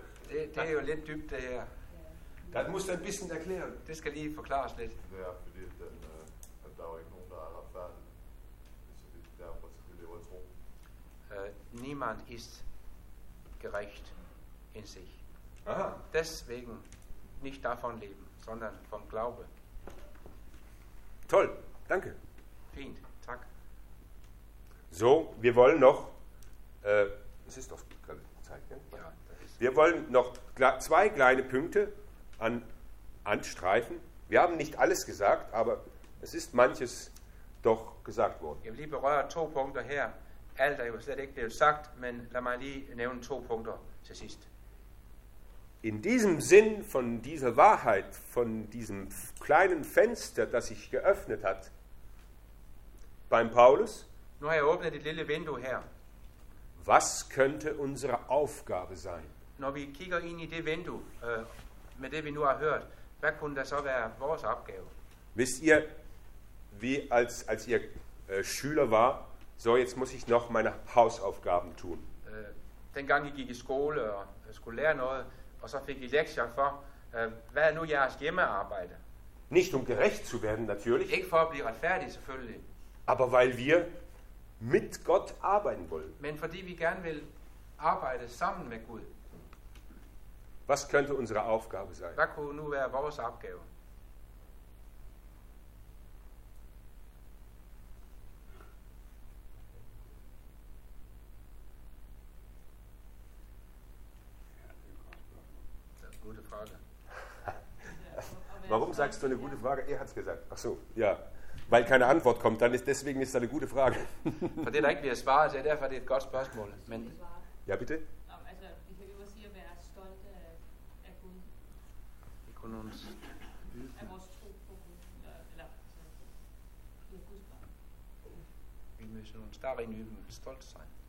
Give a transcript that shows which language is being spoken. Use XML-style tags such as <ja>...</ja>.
<da>Det er jo lidt dybt, det her. Det må du en</da> <de>bisschen erklære.</de> <da>Det skal lige forklares lidt. Ja, fordi at der er ikke nogen, der er retfærdig. Så det er derfor, at vi lever i tro.</da> <de>Niemand ist gerecht in sich. Aha. Deswegen nicht davon leben, sondern vom Glaube. Toll, danke.</de> <da>Fint, tak.</da> <de>So, wir wollen noch... es ist doch gerade Zeit, gell? Ja. Wir wollen noch zwei kleine Punkte anstreifen. Wir haben nicht alles gesagt, aber es ist manches doch gesagt worden.</de> <da>Jeg vil lige berøre to punkter her. Alt er jo slet ikke blevet sagt, men lad mig lige nævne to punkter til sidst.</da> <de>In diesem Sinn von dieser Wahrheit, von diesem kleinen Fenster, das sich geöffnet hat beim Paulus.</de> <da>Nu har jeg åbnet et lille vindue her.</da> <de>Was könnte unsere Aufgabe sein?</de> <da>Når vi kigger ind i det vindue med det vi nu har hørt, hvad kunne der så være vores opgave?</da> <de>Wisst ihr, wie als ihr Schüler war, so jetzt muss ich noch meine Hausaufgaben tun.</de> <da>Dengang I gik i skole og skulle lære noget, og så fik I lektier for, hvad er nu jeres hjemmearbejde?</da> <de>Nicht um gerecht zu werden natürlich.</de> <da>Ikke for at blive retfærdig selvfølgelig.</da> <de>Aber weil wir mit Gott arbeiten wollen.</de> <da>Men fordi vi gerne vil arbejde sammen med Gud.</da> <de>Was könnte unsere Aufgabe sein?</de> <da>Hvad kunne nu være vores opgave? Ja, det er en god spørgsmål. Det er en god spørgsmål.</da> <de>Warum sagst du eine gute Frage? Er hat es gesagt. Ach so, ja. Weil keine Antwort kommt, dann ist deswegen ist es eine gute Frage.</de> <da>For det er ikke blevet svaret, så derfor det er et godt spørgsmål. Men</da> <de>ja, bitte.</de> <da>Altså, vi kan jo sige at være stolt af Gud. Det kunne nogen af vores tro på Gud. Eller Guds barn. Vi møder nogen større nye, men stolt sig.</da>